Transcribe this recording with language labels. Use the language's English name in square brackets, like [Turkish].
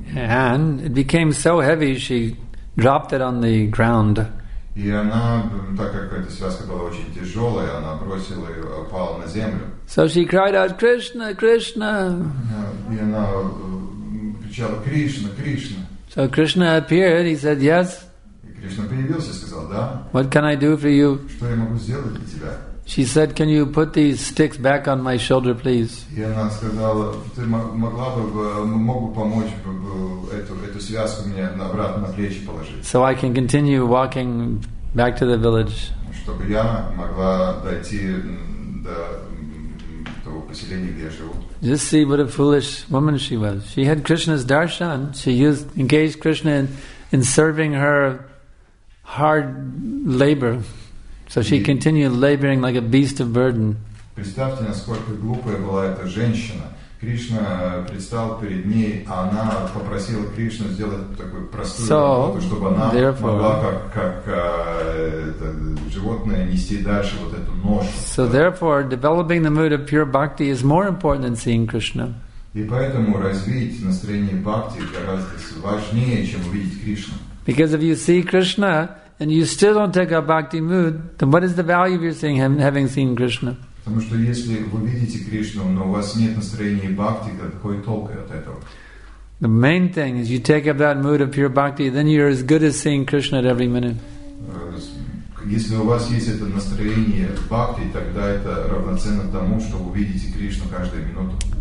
[English] And it became so heavy, she dropped it on the ground. [Russian] И она, так как эта связка была очень тяжелая, она бросила ее, упала на землю. [English] So she cried out, Krishna, Krishna. [Russian] И она кричала, Кришна, Кришна. [English] So Krishna appeared, he said, yes. [Russian] И Кришна появился, сказал, да. [English] What can I do for you? [Russian] Что я могу сделать для тебя? [English] She said, can you put these sticks back on my shoulder, please? [Russian] И она сказала, ты могла бы, мог бы помочь эту связку мне обратно на плечи положить. [English] So I can continue walking back to the village. [Russian] Чтобы я могла дойти до того поселения, где я живу. [English] Just see what a foolish woman she was. She had Krishna's darshan. She engaged Krishna in serving her hard labor. So she continued laboring like a beast of burden. [Russian] Представьте, насколько глупая была эта женщина. Кришна предстал перед ней, а она попросила Кришну сделать такую простую работу, чтобы она могла как животное нести дальше вот эту ношу. [English] So therefore, developing the mood of pure bhakti is more important than seeing Krishna. [Russian] И поэтому развить настроение бхакти гораздо важнее, чем увидеть Кришну. [English] Because if you see Krishna and you still don't take a bhakti mood, then what is the value of you seeing him, having seen Krishna? [Russian] Потому что если вы видите Кришну, но у вас нет настроения бхакти, то какой толк от этого? [English] The main thing is you take up that mood of pure bhakti, then you're as good as seeing Krishna at every minute. [Russian] Если у вас есть это настроение бхакти, тогда это равноценно тому, что вы видите Кришну каждую минуту.